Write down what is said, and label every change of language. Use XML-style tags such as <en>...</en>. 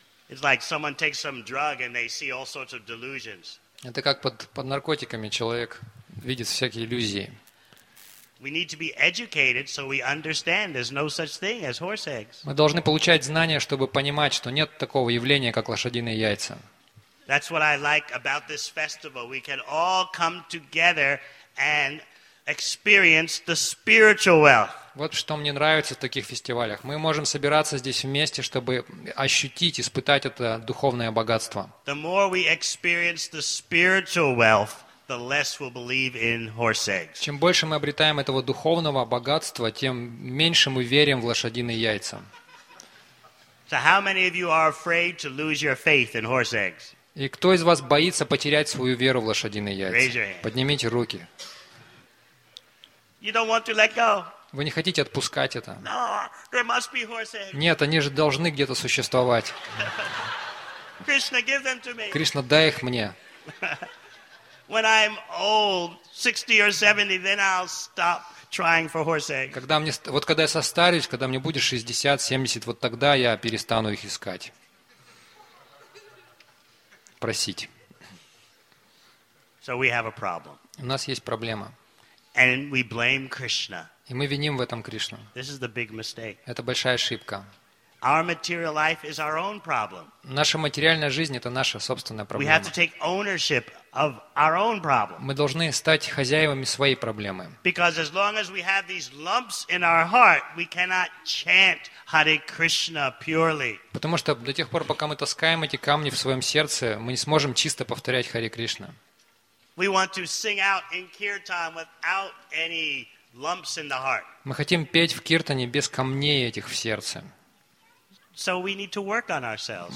<en>It's like someone takes some drug and they see all sorts of delusions.</en> <ru>Это как под наркотиками человек видит всякие иллюзии.</ru> <en>We need to be educated so we understand there's no such thing as horse eggs.</en> <ru>Мы должны получать знания, чтобы понимать, что нет такого явления, как лошадиные яйца.</ru> <en>That's what I like about this festival. We can all come together and experience the spiritual wealth.</en> <ru>Вот что мне нравится в таких фестивалях. Мы можем собираться здесь вместе, чтобы ощутить, испытать это духовное богатство.</ru> <en>The more we experience the spiritual wealth, the less we'll believe in horse eggs.</en> <ru>Чем больше мы обретаем этого духовного богатства, тем меньше мы верим в лошадиные яйца.</ru> <en>So how many of you are afraid to lose your faith in horse eggs?</en> <ru>И кто из вас боится потерять свою веру в лошадиные яйца? Поднимите руки.</ru> <en>You don't want to let go.</en> <ru>Вы не хотите отпускать это?</ru> <en>No, there must be horse eggs.</en> <ru>Нет, они же должны где-то существовать.</ru> <en>Krishna, give them to me.</en> <ru>Кришна, дай их мне.</ru> <en>When I'm old, 60 or 70, then I'll stop trying for horse eggs.</en> <ru>Когда мне, вот когда я состарюсь, когда мне будет 60, 70, вот тогда я перестану их искать. Просить.</ru> <en>So we have a problem.</en> <ru>У нас есть проблема.</ru> <en>And we blame Krishna.</en> <ru>И мы виним в этом Кришну.</ru> <en>This is the big mistake.</en> <ru>Это большая ошибка.</ru> <en>Our material life is our own problem.</en> <ru>Наша материальная жизнь – это наша собственная проблема.</ru> <en>We have to take ownership of our own problem.</en> <ru>Мы должны стать хозяевами своей проблемы.</ru> <en>Because as long as we have these lumps in our heart, we cannot chant Hare Krishna purely.</en> <ru>Потому что до тех пор, пока мы таскаем эти камни в своем сердце, мы не сможем чисто повторять Харе Кришна.</ru> <en>We want to sing out in kirtan without any lumps in the heart.</en> <ru>Мы хотим петь в киртане без камней этих в сердце.</ru> <en>So we need to work on ourselves.</en>